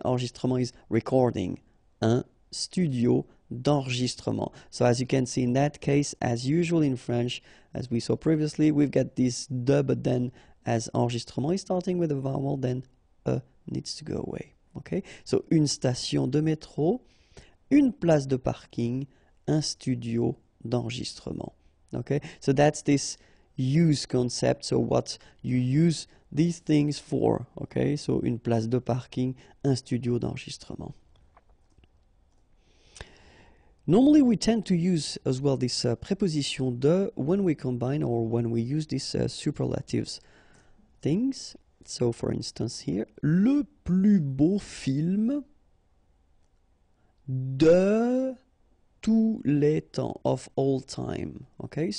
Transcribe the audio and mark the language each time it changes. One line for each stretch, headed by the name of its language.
French: Enregistrement
English: is recording,
French: un studio d'enregistrement.
English: So as you can see in that case, as usual in French, as we saw previously, we've got this de, but then as enregistrement is starting with a vowel, then e needs to go away, okay?
French: So une station de métro, une place de parking, un studio d'enregistrement.
English: Okay, so that's this use concept, so what you use these things for, okay?
French: So une place de parking, un studio d'enregistrement.
English: Normally we tend to use as well this preposition de when we combine or when we use these superlatives things. So for instance here,
French: le plus beau film de tous les temps,
English: of all time, okay?